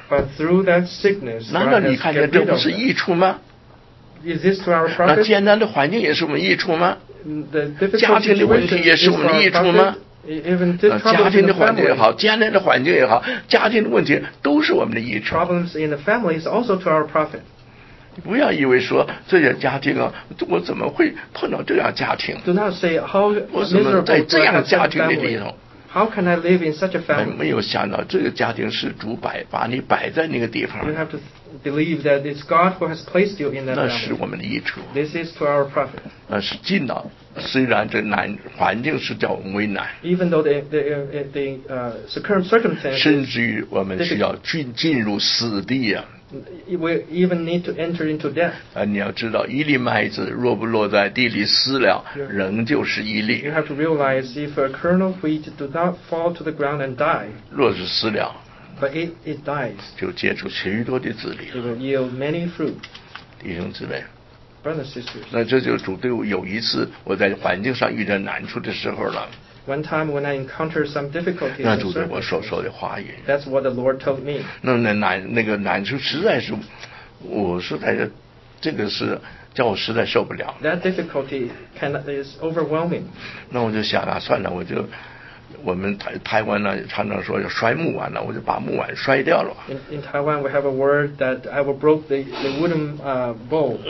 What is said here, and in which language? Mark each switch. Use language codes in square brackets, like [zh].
[en] but through that sickness, [zh] 难道你看见这不是益处吗 [en] is this to our profit? [zh] 那艰难的环境也是我们益处吗 [en] the difficult [zh] 家庭的问题也是我们益处吗 [en] Even this problem [zh] 家庭的环境也好艰难的环境也好家庭的问题都是我们的益处 [en] problems in the family is also to our profit [zh] 不要以为说这些家庭啊我怎么会碰到这样家庭 [en] Do not say how [zh] 我怎么在这样家庭里头 [en] How can I live in such a family [zh] 没有想到这个家庭是主摆把你摆在那个地方 [en] You have to believe that it's God who has placed you in that family [zh] 那是我们的益处 [en] This is to our profit [zh] 那是进到虽然这难环境是叫我们为难 [en] Even though the current circumstances [zh] 甚至于我们需要进入死地啊 [en] We even need to enter into death. [zh] 啊，你要知道，一粒麦子若不落在地里死了，仍旧是一粒。 [en] You have to realize if a kernel of wheat do not fall to the ground and die. [zh] 若是死了 [en] ，but it dies. [zh] 就结出许多的子粒。 [en] It will yield many fruit. [zh] 弟兄姊妹。 [en] Brothers and sisters. [zh] 那这就主对我有一次我在环境上遇到难处的时候了。 [en] One time when I encountered some difficulties, [zh] 那就是我所说的话语。 [en] That's what the Lord told me. [zh] 那个难处实在是，我实在是，这个是叫我实在受不了。 [en] That difficulty is overwhelming. [zh] 那我就想啊，算了，我们台湾呢常常说要摔木碗了，我就把木碗摔掉了。 [en] In Taiwan, we have a word that I will broke the wooden bowl.